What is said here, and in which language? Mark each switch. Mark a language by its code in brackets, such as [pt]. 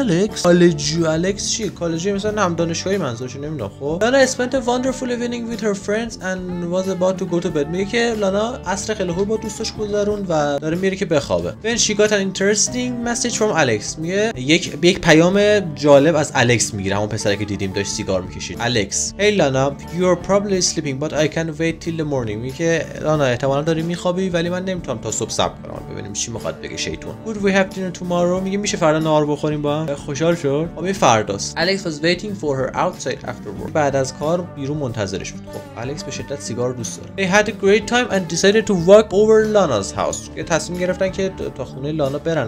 [fa] College Alex چیه؟ کالجی مثلا هم دانشگاهی منظورش، نمیدونم. [en] خب Lana spent a wonderful evening with her friends and was about to go to bed. [fa] میگه که لانا عصر خیلی خوب با دوستاش گذرون و داره میره که بخوابه. [en] Then she got an interesting message from Alex. [fa] میگه یک پیام جالب از الکس میگیره، همون پسری که دیدیم داشت سیگار میکشید. [en] Alex: Hey Lana, you're probably sleeping but I can wait till the morning. [fa] میکه آنا احتمالا داری میخوابی ولی من نمیتونم تا صبح صبر کنم، ببینیم چی میخواد بگه شیطون. [en] Would we have dinner tomorrow? [fa] میگه میشه فردا نهار بخوریم با هم؟ خوشحال شد. خب این فرداست. [en] Alex was waiting for her outside after work. [fa] بعد از کار بیرون منتظرش بود. خب Alex به شدت سیگار دوست داره. [en] They had a great time and decided to walk over Lana's house. [fa] یه تصمیم گرفتن که تا خونه لانا برن.